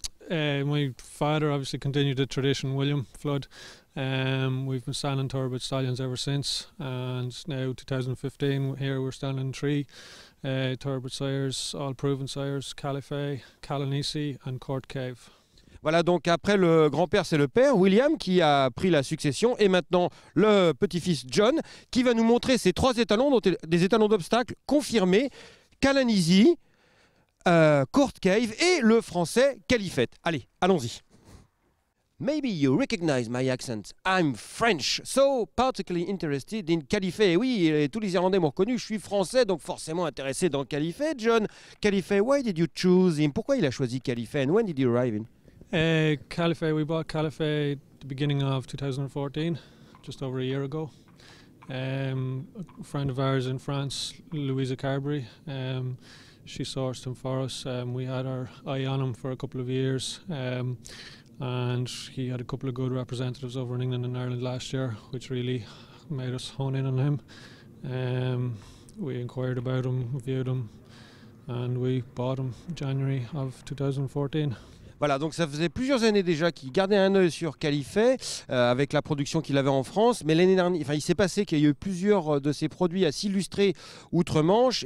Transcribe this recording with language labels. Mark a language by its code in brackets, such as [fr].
[en] My father obviously continued the tradition, William Flood. We've been standing thoroughbred stallions ever since, and now 2015 here we're standing three thoroughbred sires, all proven sires: Califé, Calanisi, and Court Cave. [fr] Voilà, donc après le grand-père, c'est le père, William, qui a pris la succession. Et maintenant, le petit-fils, John, qui va nous montrer ses trois étalons, dont des étalons d'obstacles confirmés: Calanisi, Court Cave et le français Califette. Allez, allons-y. [en] Maybe you recognize my accent. I'm French, so particularly interested in Califé. [fr] Et oui, tous les Irlandais m'ont reconnu, je suis français, donc forcément intéressé dans Califé. [en] John, Califé, why did you choose him? [fr] Pourquoi il a choisi Califé? [en] And when did you arrive in? Califé, we bought Califé the beginning of 2014, just over a year ago. A friend of ours in France, Louisa Carberry, she sourced him for us. We had our eye on him for a couple of years, and he had a couple of good representatives over in England and Ireland last year, which really made us hone in on him. We inquired about him, viewed him, and we bought him January of 2014. [fr] Voilà, donc ça faisait plusieurs années déjà qu'il gardait un œil sur Califé avec la production qu'il avait en France. Mais l'année dernière, enfin, il s'est passé qu'il y a eu plusieurs de ses produits à s'illustrer outre-Manche.